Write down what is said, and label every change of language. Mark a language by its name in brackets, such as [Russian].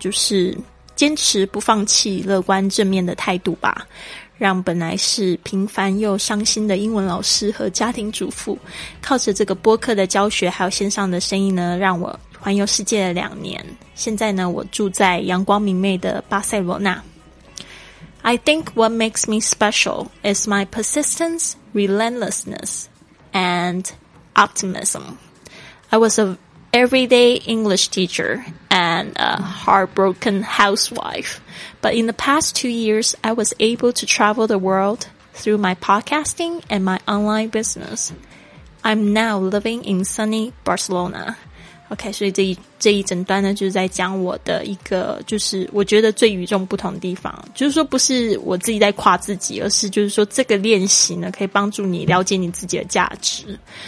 [Chinese] 就是坚持不放弃乐观正面的态度吧，让本来是平凡又伤心的英文老师和家庭主妇靠着这个播客的教学还有线上的生意呢，让我环游世界了两年。现在呢，我住在阳光明媚的巴塞罗那。 [English] I think what makes me special is my persistence, relentlessness and optimism. I was an everyday English teacher and a heartbroken housewife. But in the past 2 years, I was able to travel the world through my podcasting and my online business. I'm now living in sunny Barcelona. [Chinese] OK, 所以这一整段呢，就是在讲我的一个，就是我觉得最与众不同的地方，就是说不是我自己在夸自己，而是就是说这个练习呢，可以帮助你了解你自己的价值。